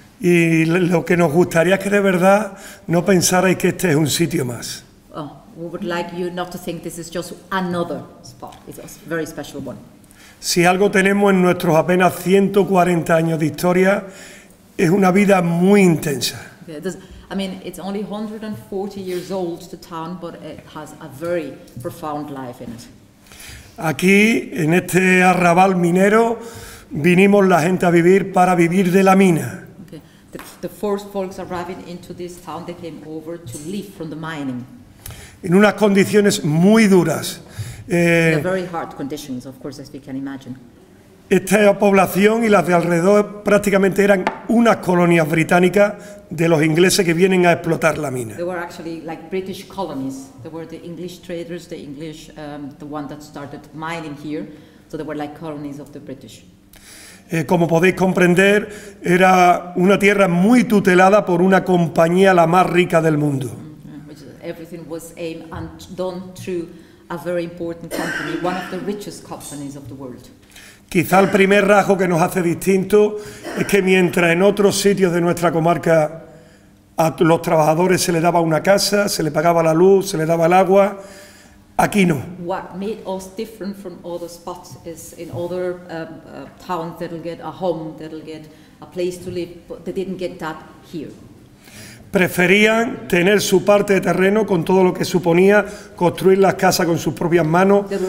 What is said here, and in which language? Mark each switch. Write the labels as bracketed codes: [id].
[es] Y lo que nos gustaría es que de verdad no pensarais que este es un sitio más. [en] Oh, we would like you not to think this is just another spot. It's a very special one. [es] Si algo tenemos en nuestros apenas 140 años de historia, es una vida muy intensa. [en] Yeah, I mean, it's only 140 years old, the town, but it has a very profound life in it. [es] Aquí, en este arrabal minero, vinimos la gente a vivir para vivir de la mina. [en] Okay. The first folks arriving into this town, they came over to live from the mining. [es] En unas condiciones muy duras. [en] In very hard conditions, of course, as we can imagine. [es] Esta población y las de alrededor prácticamente eran unas colonias británicas de los ingleses que vienen a explotar la mina. [en] They were actually like British colonies. They were the English traders, the English, the one that started mining here. So they were like colonies of the British. [es] Como podéis comprender, era una tierra muy tutelada por una compañía la más rica del mundo. [en] Everything was aimed and done through a very important company, one of the richest companies of the world. [es] Quizá el primer rasgo que nos hace distinto es que mientras en otros sitios de nuestra comarca a los trabajadores se le daba una casa, se le pagaba la luz, se le daba el agua, aquí no. [en] What made us different from other spots is in other towns they'll get a home, they'll get a place to live, but they didn't get that here. [es] Preferían tener su parte de terreno con todo lo que suponía construir las casas con sus propias manos.